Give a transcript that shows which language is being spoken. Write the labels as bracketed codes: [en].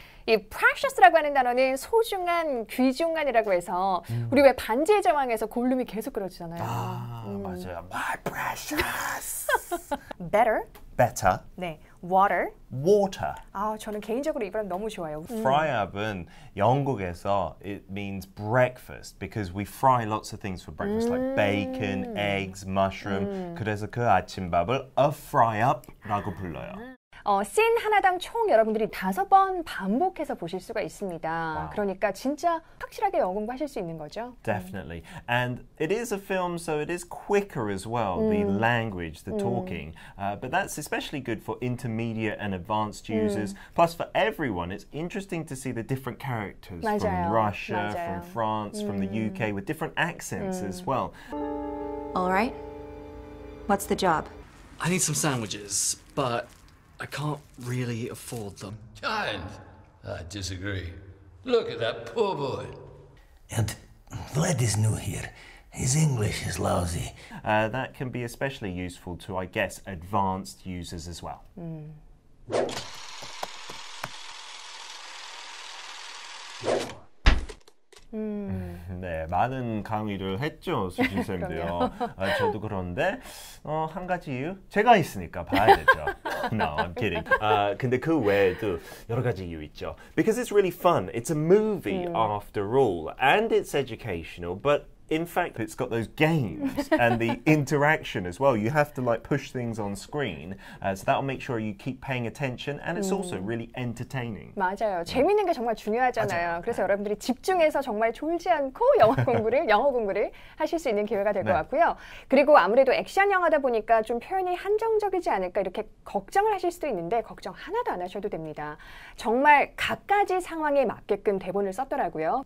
[ko] 이 precious라고 하는 단어는 소중한, 귀중한이라고 해서 우리 왜 반지의 제왕에서 골룸이 계속 그러시잖아요. 아, 맞아요. [en] My precious. Better. Better. [ko] 네. [en] Water. Water. [ko] 아, 저는 개인적으로 이 발음 너무 좋아요. [en] Fry up은 [ko] 영국에서 [en] it means breakfast because we fry lots of things for breakfast like bacon, eggs, mushroom. [ko] 그래서 그 아침밥을 a fry up라고 불러요. 씬 하나당 총 여러분들이 다섯 번 반복해서 보실 수가 있습니다. [en] Wow. [ko] 그러니까 진짜 확실하게 영어 공부하실 수 있는 거죠. [en] Definitely. And it is a film, so it is quicker as well, the language, the talking. But that's especially good for intermediate and advanced users. Plus for everyone, it's interesting to see the different characters [ko] 맞아요. [en] from Russia, [ko] 맞아요. [en] from France, from the UK, with different accents as well. All right. What's the job? I need some sandwiches, but... I can't really afford them. Giant! I disagree. Look at that poor boy. And Vlad is new here. His English is lousy. That can be especially useful to, I guess, advanced users as well. Mm. [ko] 네, 많은 강의를 했죠, 수진쌤도요. 아, 저도 그런데 한 가지 이유? 제가 있으니까 봐야겠죠. [en] No, I'm kidding. [ko] 근데 그 외에도 여러 가지 이유 있죠. [en] Because it's really fun. It's a movie after all. And it's educational. But in fact, it's got those games and the interaction as well. You have to like push things on screen. So that'll make sure you keep paying attention. And it's also really entertaining. [ko] 맞아요. 재밌는 게 정말 중요하잖아요. 맞아. 그래서 여러분들이 집중해서 정말 졸지 않고 영어 공부를, 영어 공부를 하실 수 있는 기회가 될 것 네. 같고요. 그리고 아무래도 액션 영화다 보니까 좀 표현이 한정적이지 않을까 이렇게 걱정을 하실 수도 있는데 걱정 하나도 안 하셔도 됩니다. 정말 각가지 상황에 맞게끔 대본을 썼더라고요.